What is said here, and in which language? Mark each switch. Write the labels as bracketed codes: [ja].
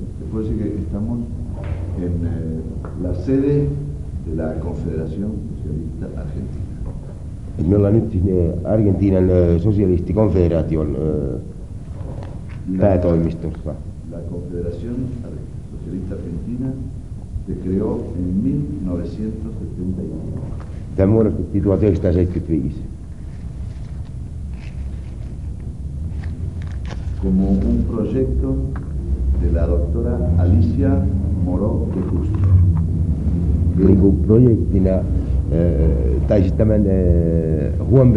[es] Puede decir que estamos en la sede de la Confederación Socialista Argentina. [fi] Et me ollaan nyt Argentiinan sosialistikonfederaation päätoimistossa. [es] La Confederación Socialista Argentina se creó en 1975. [fi] Tämä muodostettiin 1975. [es] Como un proyecto de la doctora Alicia Moró de Justo. [fi] Niin kuin projektina, tai siis tämän Juan B.